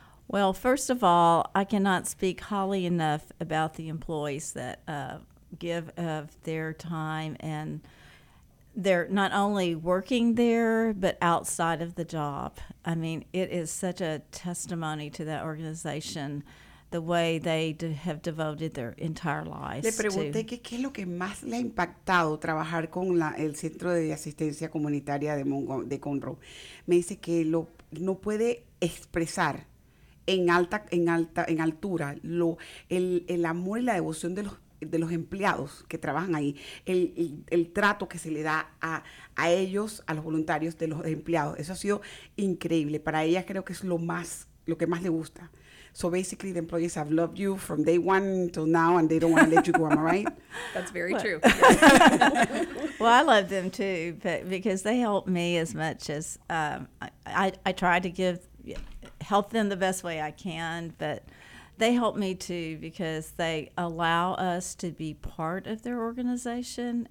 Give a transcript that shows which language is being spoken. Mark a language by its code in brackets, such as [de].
[en] Well, first of all, I cannot speak highly enough about the employees that give of their time and they're not only working there, but outside of the job. I mean, it is such a testimony to that organization, the way they have devoted their entire lives. [es] Le pregunté qué es lo que más le ha impactado trabajar con el Centro de Asistencia Comunitaria de Conroe. Me dice que lo no puede expresar en altura el amor y la devoción de los empleados que trabajan ahí, el trato que se le da a ellos, a los voluntarios de los empleados. Eso ha sido increíble. Para ella creo que es lo que más le gusta. [en] So basically the employees have loved you from day one until now and they don't want to let you go, am I right? That's very true. Well, I love them too, but because they help me as much as I try to help them the best way I can, but they help me too because they allow us to be part of their organization.